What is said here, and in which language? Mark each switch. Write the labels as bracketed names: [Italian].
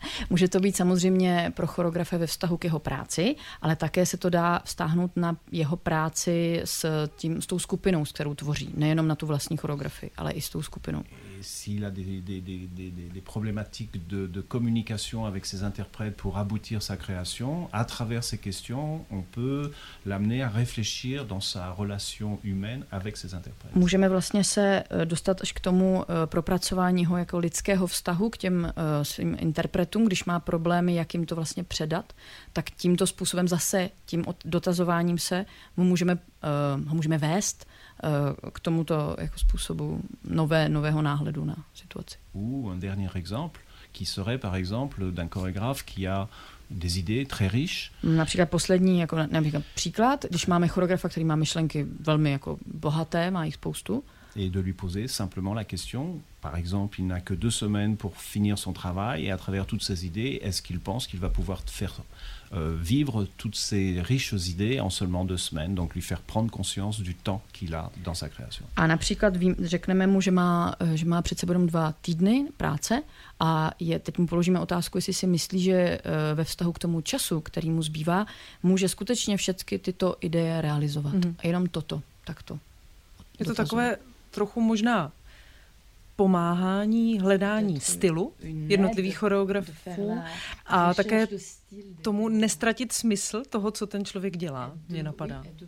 [Czech] Může to být samozřejmě pro choreografa ve vztahu k jeho práci, ale také se to dá vztáhnout na jeho práci s tou skupinou, s kterou tvoří, nejenom na tu vlastní choreografii, ale i s tou skupinou. [French] S'il a des problématiques de communication avec ses interprètes pour aboutir sa création, à travers ces questions, on peut l'amener à réfléchir dans sa relation humaine avec ses interprètes. [Czech] Můžeme vlastně se dostat až k tomu propracování ho jako lidského vztahu k těm svým interpretům, když má problémy, jak jim to vlastně předat, tak tímto způsobem zase, tím dotazováním se, ho můžeme vést k tomuto jako způsobu nového náhledu na situaci. [French] Ou un dernier exemple qui serait par exemple d'un chorégraphe qui a des idées très riches. [Czech] Například poslední jako příklad, když máme choreografa, který má myšlenky velmi jako bohaté, má jich spoustu. [French] Et de lui poser simplement la question, par exemple, il n'a que 2 semaines pour finir son travail et à travers toutes ses idées, est-ce qu'il pense qu'il va pouvoir faire vivre toutes ces riches idées en seulement 2 semaines, donc lui faire prendre conscience du temps qu'il a dans sa création. [Czech] A například řekneme mu, že má před sebou jenom 2 týdny práce a teď mu položíme otázku, jestli si myslí, že ve vztahu k tomu času, který mu zbývá, může skutečně všechny tyto ideje realizovat. Mm-hmm. Jenom toto, takto. Je to takové trochu možná pomáhání, hledání stylu jednotlivých choreografů a také tomu nestratit smysl toho, co ten člověk dělá, mě napadá.